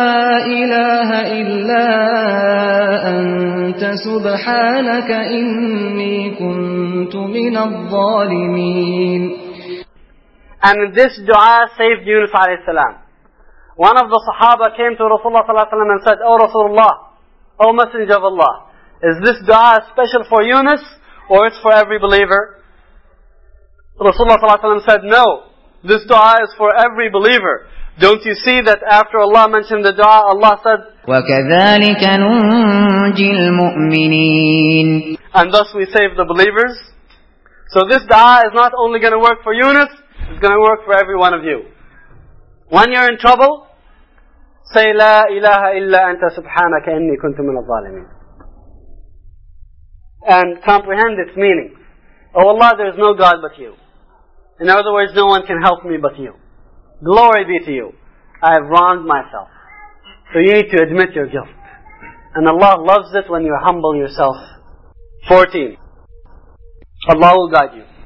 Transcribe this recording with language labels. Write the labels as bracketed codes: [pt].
[ar] لا إله إلا أنت سبحانك إني كنت من الظالمين. [en] And this dua saved Yunus [ar] عليه السلام. [en] One of the Sahaba came to Rasulullah [ar] صلى الله عليه وسلم [en] and said, "O Rasulullah, O Messenger of Allah, is this dua special for Yunus or it's for every believer?" Rasulullah [ar] صلى الله عليه وسلم [en] said, "No, this dua is for every believer. Don't you see that after Allah mentioned the dua, Allah said, [ar] وَكَذَلِكَ نُنْجِي الْمُؤْمِنِينَ [en] And thus we save the believers. So this dua is not only going to work for Yunus, it's going to work for every one of you. When you're in trouble, say, [ar] لا إله إلا أنت سبحانك إني كنت من الظالمين. [en] And comprehend its meaning. Oh Allah, there is no God but you. In other words, no one can help me but you. Glory be to you. I have wronged myself. So you need to admit your guilt. And Allah loves it when you humble yourself. 14. Allah will guide you.